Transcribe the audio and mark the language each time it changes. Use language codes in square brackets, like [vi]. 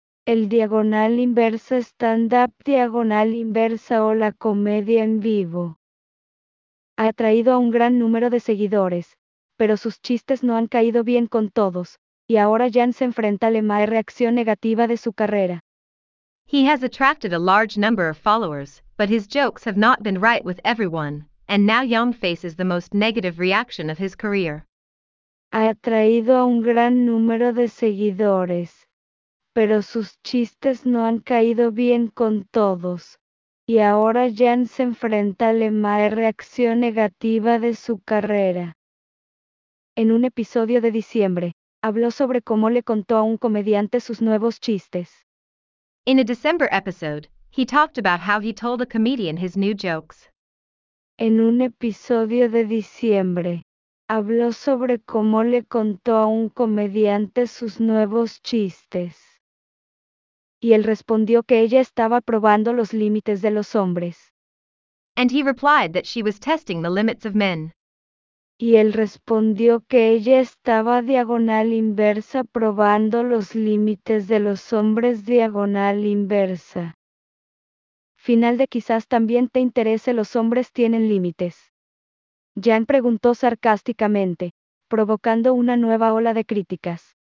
[es] El diagonal inversa stand-up diagonal inversa o la comedia en vivo. Ha atraído a un gran número de seguidores, pero sus chistes no han caído bien con todos, y ahora Yan se enfrenta a la mayor reacción negativa de su carrera. [en] He has attracted a large number of followers, but his jokes have not been right with everyone, and now Yan faces the most negative reaction of his career. [es] Ha atraído a un gran número de seguidores, pero sus chistes no han caído bien con todos, y ahora Yan se enfrenta a la mayor reacción negativa de su carrera. En un episodio de diciembre, habló sobre cómo le contó a un comediante sus nuevos chistes. [en] In a December episode, he talked about how he told a comedian his new jokes. [es] En un episodio de diciembre, habló sobre cómo le contó a un comediante sus nuevos chistes. Y él respondió que ella estaba probando los límites de los hombres. [en] And he replied that she was testing the limits of men. [es] Y él respondió que ella estaba diagonal inversa probando los límites de los hombres diagonal inversa. Final de quizás también te interese los hombres tienen límites. Yan preguntó sarcásticamente, provocando una nueva ola de críticas.